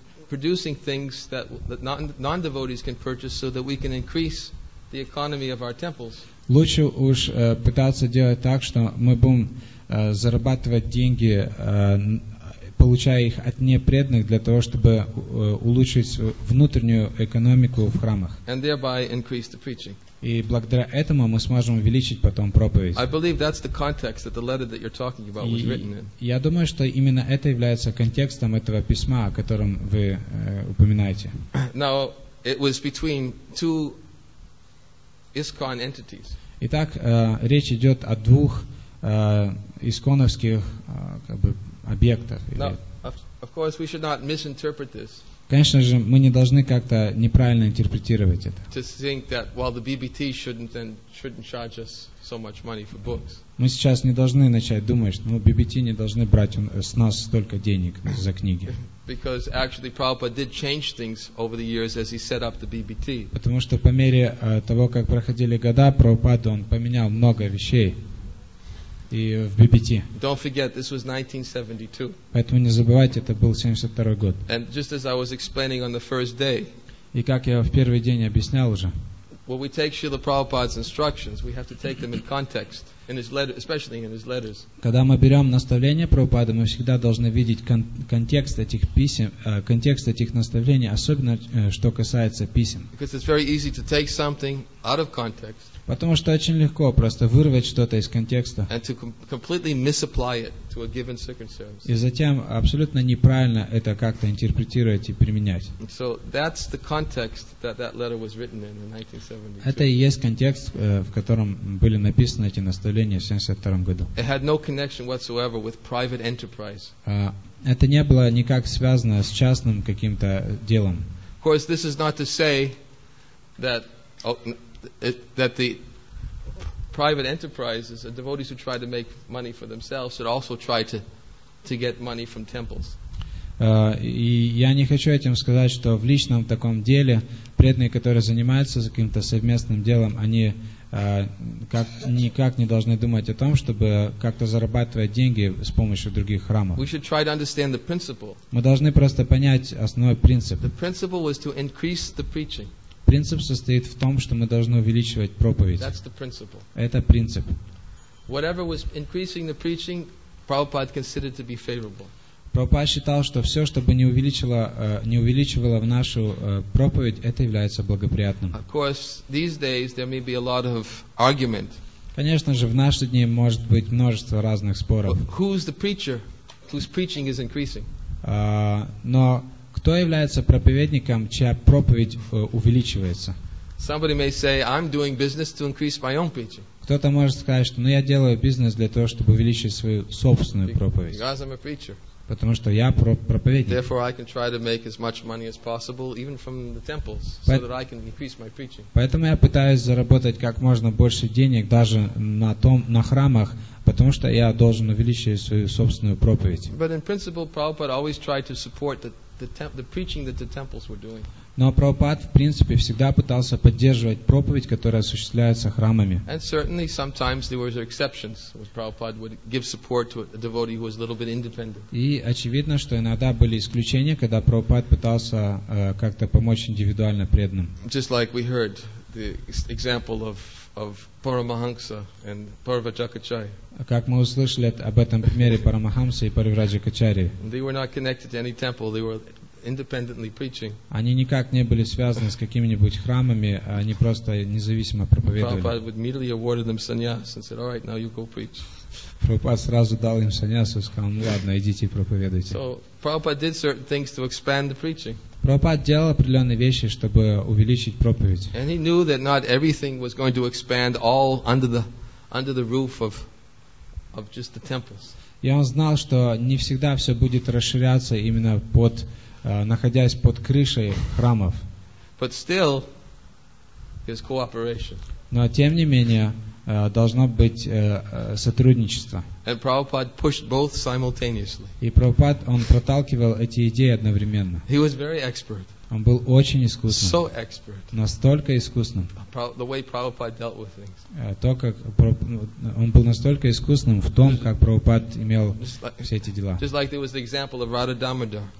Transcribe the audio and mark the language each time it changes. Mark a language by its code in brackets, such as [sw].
[en] Producing things that non-devotees can purchase, so that we can increase the economy of our temples. [ru] Лучше уж пытаться делать так, что мы будем зарабатывать деньги, получая их от непреданных, для того чтобы улучшить внутреннюю экономику в храмах. [en] And thereby increase the preaching. [ru] И благодаря этому мы сможем увеличить потом проповедь. [en] I believe that's the context that the letter that you're talking about was written in. [ru] Я думаю, что именно это является контекстом этого письма, о котором вы упоминаете. [en] Now, it was between two ISKCON entities. [ru] Итак, речь идет о двух исконовских объектах. [en] Now, of course, we should not misinterpret this. [ru] Конечно же, мы не должны как-то неправильно интерпретировать это. [en] To think that, well, the BBT shouldn't charge us so much money for books. [ru] Мы сейчас не должны начать думать, что BBT не должны брать с нас столько денег за книги. [en] Because actually Prabhupada did change things over the years as he set up the BBT. [ru] Потому что по мере того, как проходили года, Прабхупада, он поменял много вещей. И в BBT. [en] Don't forget, this was 1972. [ru] Поэтому не забывайте, это был 72 год. [en] And just as I was explaining on the first day. [ru] И как я в первый день объяснял уже. [en] When we take Srila Prabhupada's instructions, we have to take them in context, in his letter, especially in his letters. [ru] Когда мы берем наставления Прабхупады, мы всегда должны видеть контекст этих писем, контекст этих наставлений, особенно что касается писем. [en] Because it's very easy to take something out of context. [ru] Потому что очень легко просто вырвать что-то из контекста. [en] And to completely misapply it to a given circumstance. [ru] И затем абсолютно неправильно это как-то интерпретировать и применять. [en] So that's the context that that letter was written in 1972. [ru] Это и есть контекст, в котором были написаны эти наставления в 72 году. [en] It had no connection whatsoever with private enterprise. [ru] Это не было никак связано с частным каким-то делом. [en] Of course, this is not to say that. That the private enterprises, the devotees who try to make money for themselves, should also try to get money from temples. [ru] И я не хочу этим сказать, что в личном таком деле преданные, которые занимаются каким-то совместным делом, они никак не должны думать о том, чтобы как-то зарабатывать деньги с помощью других храмов. [en] We should try to understand the principle. [ru] Мы должны просто понять основной принцип. [en] The principle was to increase the preaching. [ru] Принцип состоит в том, что мы должны увеличивать проповедь. Это принцип. [en] Whatever was increasing the preaching, Prabhupada considered to be favorable. [ru] Прабхупада считал, что все, что бы не увеличивало в нашу проповедь, это является благоприятным. [en] Of course, these days there may be a lot of argument. [ru] Конечно же, в наши дни может быть множество разных споров. [en] But who's the preacher whose preaching is increasing? [ru] Но кто является проповедником, чья проповедь увеличивается? [en] Somebody may say, I'm doing business to increase my own preaching. [ru] Кто-то может сказать, что я делаю бизнес для того, чтобы увеличить свою собственную проповедь. [en] Because I'm a preacher. [ru] Потому что я проповедник. [en] Therefore, I can try to make as much money as possible, even from the temples, so that I can increase my preaching. [ru] Поэтому я пытаюсь заработать как можно больше денег даже на храмах, потому что я должен увеличить свою собственную проповедь. [en] But in principle, Prabhupada always tried to support the preaching that the temples were doing. [ru] Но Прабхупада, в принципе, всегда пытался поддерживать проповедь, которая осуществляется храмами. [en] And certainly sometimes there were exceptions, where Prabhupada would give support to a devotee who was a little bit independent. [ru] И очевидно, что иногда были исключения, когда Прабхупада пытался как-то помочь индивидуально преданным. [en] Just like we heard the example of Paramahansa and Parivrajakacharya. [ru] Как мы услышали об этом примере Парамахамсы и Парвраджакачари. [en] They were not connected to any temple. They were independently preaching. [ru] Они никак не были связаны с какими-нибудь храмами, они просто независимо проповедовали. [en] Prabhupada would immediately awarded them sannyas and said, "All right, now you go preach." [ru] Прабхупада сразу дал им саньясу и сказал, ладно, идите проповедуйте. [en] So Prabhupada did certain things to expand the preaching. [ru] Прабхупада делал определенные вещи, чтобы увеличить проповедь. [en] And he knew that not everything was going to expand all under the under the roof of just the temples. [ru] И он знал, что не всегда все будет расширяться именно под, находясь под крышей храмов. [en] But still, there's cooperation. [ru] Но тем не менее должно быть сотрудничество. [en] And Prabhupada pushed both simultaneously. [ru] И Прабхупад, он проталкивал эти идеи одновременно. [en] He was very expert. [ru] Он был очень искусным. [en] So expert. [ru] Настолько искусным. [en] The way Prabhupada dealt with things. [ru] То, как он был настолько искусным в том, как Прабхупад имел все эти дела. [en] Just like there was the example of Radha Damodar.